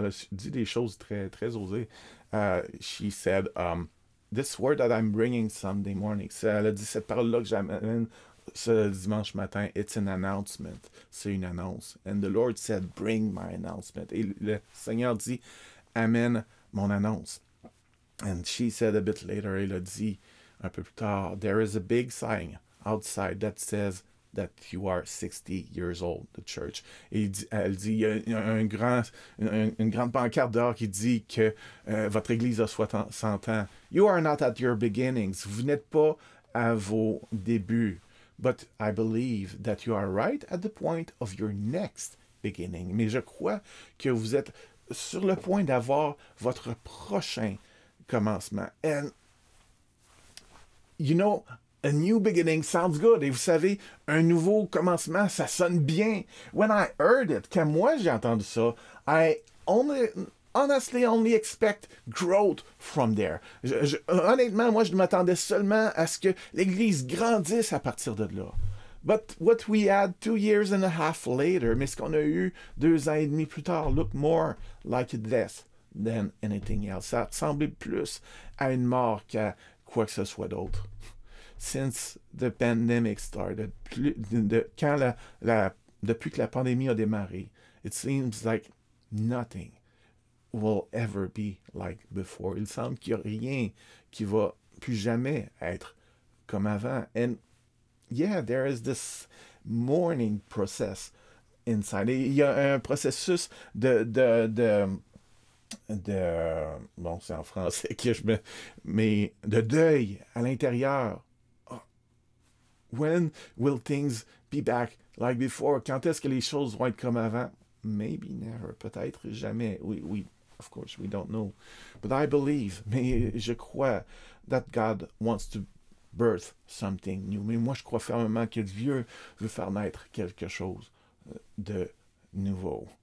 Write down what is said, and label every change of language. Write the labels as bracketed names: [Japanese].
[French] Elle a dit des choses très, très osées. [English] She said, this word that I'm bringing Sunday morning. [French] Elle a dit cette parole-là que j'amène ce dimanche matin. [English] It's an announcement. [French] C'est une annonce. [English] And the Lord said, bring my announcement. [French] Et le Seigneur dit, amène mon annonce. [English] And she said a bit later, [French] elle a dit un peu plus tard, [English] there is a big sign outside that says that you are 60 years old, the church. [French] Et elle dit, il y a une grande pancarte dehors qui dit que votre église a 100 ans. [English] You are not at your beginnings. [French] Vous n'êtes pas à vos débuts. [English] But I believe that you are right at the point of your next beginning. [French] Mais je crois que vous êtes sur le point d'avoir votre prochain commencement. [English] And, you know, a new beginning sounds good. [French] Et vous savez, un nouveau commencement, ça sonne bien. [English] When I heard it, [French] quand moi j'ai entendu ça, [English] I honestly expect growth from there. [French] Honnêtement, moi je m'attendais seulement à ce que l'église grandisse à partir de là. [English] But what we had 2 years and a half later, [French] mais ce qu'on a eu 2 ans et demi plus tard, [English] looked more like a death than anything else. [French] Ça ressemblait plus à une mort qu'à quoi que ce soit d'autre. [English] Since the pandemic started, [French] depuis que la pandémie a démarré, [English] it seems like nothing will ever be like before. [French] Il semble qu'il y a rien qui va plus jamais être comme avant. [English] And yeah, there is this mourning process inside. [French] Et il y a un processus de c'est en français que je me mais de deuil à l'intérieur. [English] When will things be back like before? [French] Quand est-ce que les choses vont être comme avant? [English] Maybe never. [French] Peut-être jamais. [English] We of course, we don't know. But I believe, [French] mais je crois, [English] that God wants to birth something new. [French] Mais moi, je crois fermement que Dieu veut faire naître quelque chose de nouveau.